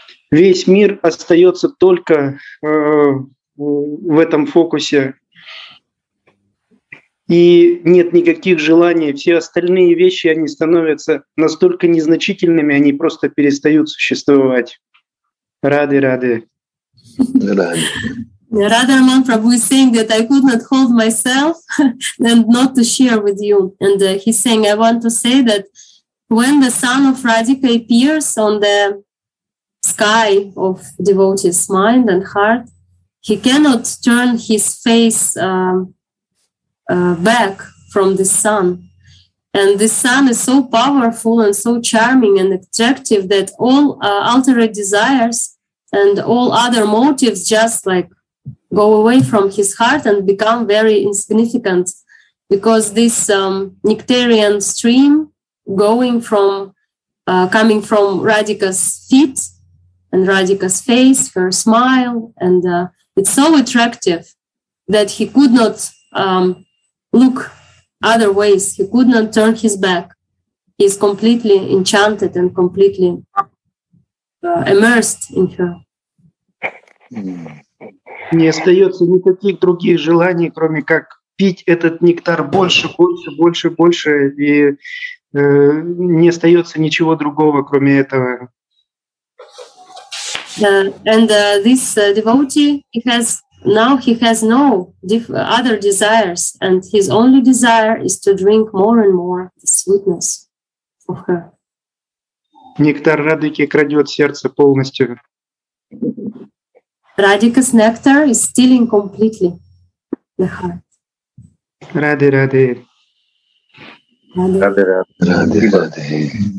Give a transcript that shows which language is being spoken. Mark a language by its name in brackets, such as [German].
[Russian] Весь мир остается только в этом фокусе. И нет никаких желаний. Все остальные вещи, они становятся настолько незначительными, они просто перестают существовать. Рады. [English] Radha Raman Prabhu is saying that I could not hold myself and not to share with you. And he's saying, I want to say that when the sun of Radhika appears on the sky of devotee's mind and heart, he cannot turn his face back from the sun. And the sun is so powerful and so charming and attractive that all altered desires and all other motives just like go away from his heart and become very insignificant, because this nectarian stream going from coming from Radhika's feet and Radhika's face, her smile, and it's so attractive that he could not look other ways. He could not turn his back. He's completely enchanted and completely immersed in her. [Russian] Не остается никаких других желаний, кроме как пить этот нектар больше, и не остается ничего другого, кроме этого. [English] And this devotee, he has no other desires, and his only desire is to drink more and more the sweetness of her. [Russian] Нектар Радхики крадет сердце полностью. [English] Radhika's nectar is stealing completely the heart. Rade. Rade.